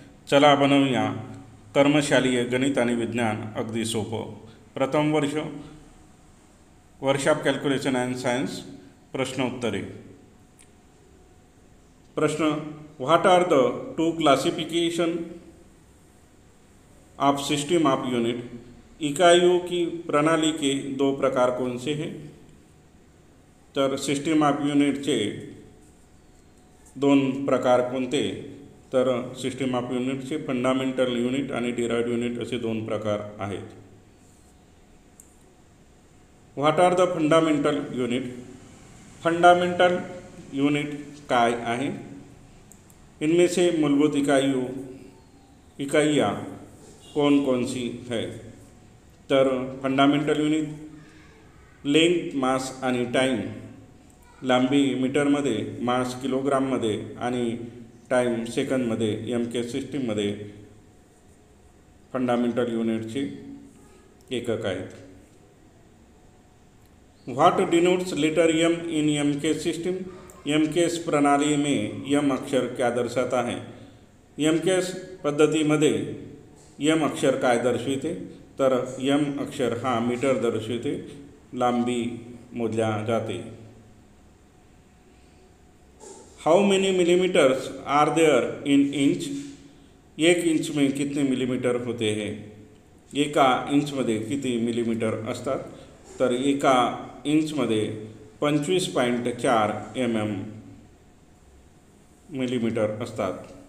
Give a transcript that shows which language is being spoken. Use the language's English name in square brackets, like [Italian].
[Marathi] चला बनवूया कर्मशालीय गणित आणि विज्ञान अगदी सोपं. प्रथम वर्ष वर्कशॉप कॅल्क्युलेशन अँड सायन्स प्रश्न उत्तरे. [English] प्रश्न, what are the two classification of system of unit. [Hindi] इकाइयों की प्रणाली के दो प्रकार कौन से हैं. [Marathi] तर सिस्टम ऑफ युनिटचे दोन प्रकार कोणते. तर सिस्टम ऑफ युनिटचे फंडामेंटल युनिट आणि डिराइव्ड युनिट असे दोन प्रकार आहेत. [English] What are the fundamental unit. [Marathi] Fundamental unit काय आहे. [Hindi] इनमें से मूलभूत इकाइयां कौन कौन सी है. [Marathi] तर फंडामेंटल युनिट लेंथ मास आणि टाइम. लांबी मीटरमध्ये, मास किलोग्राममध्ये आणि टाइम सेकंडमध्ये, एमके सिस्टीममध्ये फंडामेंटल युनिटचे एकक आहेत. [English] What denotes letter M in MKS system. [Hindi] एमकेस प्रणाली में यम अक्षर क्या दर्शाता है. [Marathi] एमकेस पद्धतीमध्ये यम अक्षर काय दर्शवते. तर यम अक्षर हा मीटर दर्शवते. लांबी मोजल्या जाते. [English] How many millimetres are there in inch. [Hindi] एक इंच में कितने मिलीमीटर होते हैं. [Marathi] एका इंचमध्ये किती मिलीमीटर असतात. तर एका इंचमध्ये 25.4 mm मिलीमीटर असतात.